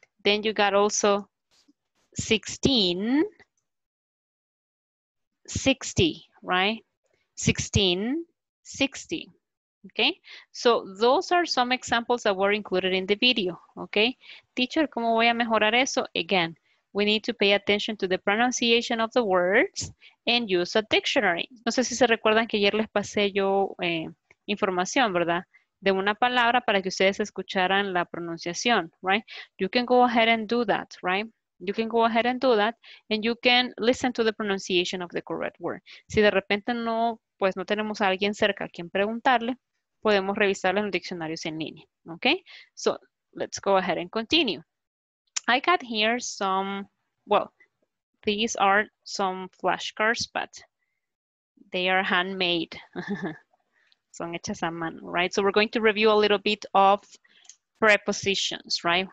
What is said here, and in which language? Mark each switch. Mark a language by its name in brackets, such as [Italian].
[English] Then you got also 16, 60, right? 16, 60. Okay, so those are some examples that were included in the video, okay? Teacher, [Spanish] ¿cómo voy a mejorar eso? [English] Again, we need to pay attention to the pronunciation of the words and use a dictionary. [Spanish] No sé si se recuerdan que ayer les pasé yo información, ¿verdad? De una palabra para que ustedes escucharan la pronunciación, right? [English] You can go ahead and do that, right? You can go ahead and do that, and you can listen to the pronunciation of the correct word. [Spanish] Si de repente no, pues no tenemos a alguien cerca a quien preguntarle, podemos revisarlo en los diccionarios en línea, ¿ok? [English] So, let's go ahead and continue. I got here some, well, these are some flashcards, but they are handmade. [Spanish] Son hechas a mano, [English] right? So, we're going to review a little bit of prepositions, right?